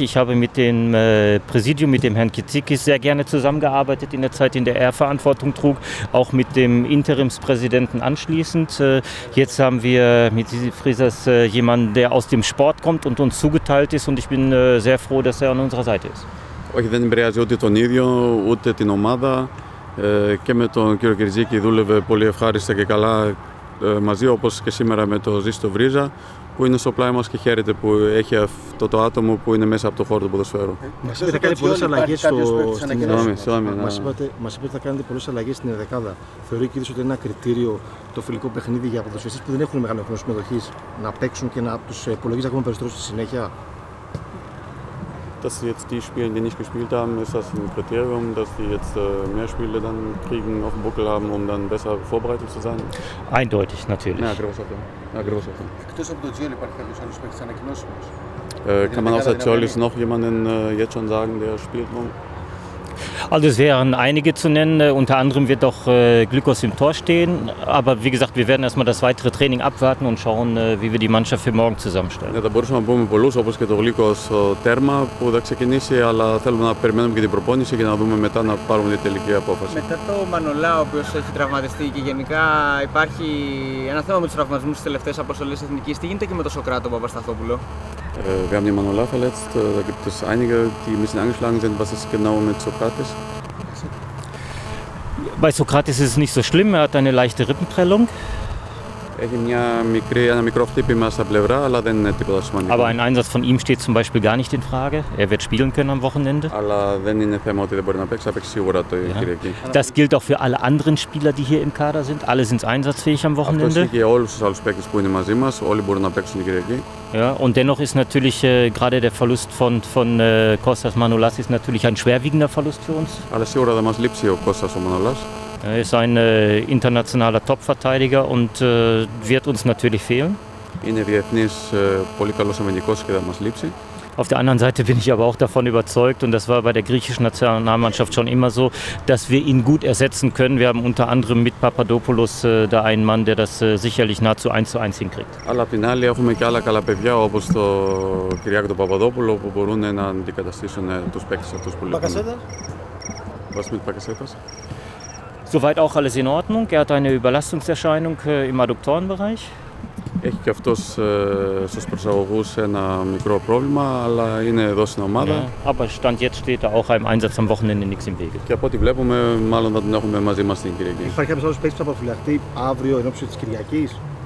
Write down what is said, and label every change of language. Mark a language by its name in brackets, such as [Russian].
[German] Ich habe mit dem Präsidium, mit dem Herrn Kitsikis, sehr gerne zusammengearbeitet in der Zeit, in der er Verantwortung trug. Auch mit dem Interimspräsidenten anschließend. Jetzt haben wir mit Frisas jemanden, der aus dem Sport kommt und uns zugeteilt ist. Und ich bin sehr froh, dass er an unserer Seite ist. [Greek] Όχι, δεν επηρεάζει ούτε τον ίδιο, ούτε την ομάδα. Και με τον κύριο Κυριτζίκη δούλευε πολύ ευχάριστα και καλά μαζί, όπως και σήμερα με τον Ζήστο Βρίζα, που είναι στο πλάι μας και χαίρεται που έχει αυτό το άτομο που είναι μέσα από το χώρο του ποδοσφαίρου. Μας είπατε κάνετε πολλές αλλαγές στην ενδεκάδα. Μας είπατε ότι θα κάνετε πολλές αλλαγές στην ενδεκάδα. Θεωρεί κύριε ότι είναι ένα κριτήριο το φιλικό παιχνίδι για ποδοσφαιριστές που δεν έχουν μεγάλο χρόνο συμμετοχή να παίξουν και να τους υπολογίζει ακόμα περισσότερο στη συνέχεια? [German] Dass sie jetzt die Spiele, die nicht gespielt haben, ist das ein Kriterium, dass sie jetzt mehr Spiele dann kriegen, auf dem Buckel haben, um dann besser vorbereitet zu sein? Eindeutig, natürlich. Ja, großartig. Ja, großartig. [Greek] Εκτός από τον Τζιόλι, υπάρχει κάποιος άλλος παίκτης ανακοινώσιμος? [German] Kann man außer Τζιόλις noch jemanden jetzt schon sagen, der spielt morgen? Also es wären einige zu nennen, unter anderem wird auch Glückos im Tor stehen, aber wie gesagt, wir werden erstmal das weitere Training abwarten und schauen, wie wir die Mannschaft für morgen zusammenstellen. Ja, da [Greek] μπορούσαμε να πούμε πολλούς, όπως και το Glückos στο τέρμα που θα ξεκινήσει, αλλά θέλουμε να περιμένουμε και την προπόνηση και να δούμε μετά να πάρουμε την τελική απόφαση. Μετά το Μανολά, ο οποίος έχει τραυματιστεί και γενικά υπάρχει ένα θέμα με τους τραυματισμούς στις τελευταίες αποστολές εθνικής, τι γίνεται και με τον Σοκράτο Παπασταθόπουλο? [German] Wir haben den Manuela verletzt. Da gibt es einige, die ein bisschen angeschlagen sind. Was ist genau mit Sokratis? Bei Sokratis ist es nicht so schlimm. Er hat eine leichte Rippenprellung. Er hat ein [Greek] mikro Chtypima [German] auf der Plevra, aber das ist nicht so schlimm. Aber ein Einsatz von ihm steht zum Beispiel gar nicht in Frage. Er wird spielen können am Wochenende. Aber das ist nicht das Thema, dass er nicht spielen kann. Er spielt sicher. Das gilt auch für alle anderen Spieler, die hier im Kader sind. Alle sind einsatzfähig am Wochenende. Das gilt für alle anderen Spieler, die hier im Kader sind. Alle können spielen. Ja, und dennoch ist natürlich gerade der Verlust von Kostas Manolas ist natürlich ein schwerwiegender Verlust für uns. Alles sicher, dass man liebt hier Kostas Manolas. Er ist ein internationaler Top-Verteidiger und wird uns natürlich fehlen. [Greek] Είναι διεθνής πολύ καλός αμυντικός και θα μας λείψει. [German] Auf der anderen Seite bin ich aber auch davon überzeugt, und das war bei der griechischen Nationalmannschaft schon immer so, dass wir ihn gut ersetzen können. Wir haben unter anderem mit Papadopoulos da einen Mann, der das sicherlich nahezu 1:1 hinkriegt. Aber auf der anderen Seite haben wir auch andere gute Kinder, wie Kyriakos Papadopoulos, die können die Spieler von diesen Spielern ersetzen. Was mit Pakasetas? Soweit auch alles in Ordnung. Er hat eine Überlastungserscheinung im Adduktorenbereich. [Greek] Έχει και αυτός στους προσαγωγούς ένα μικρό πρόβλημα, αλλά είναι εδώ στην ομάδα. [German] Aber stand jetzt steht er auch im Einsatz am Wochenende nichts im Wege. [Greek] Και από ό,τι βλέπουμε, μάλλον θα τον έχουμε μαζί μας την Κυριακή. Υπάρχει κάποιος άλλος παίκτης που θα αποφυλαχτεί αύριο εν ώψη της Κυριακής.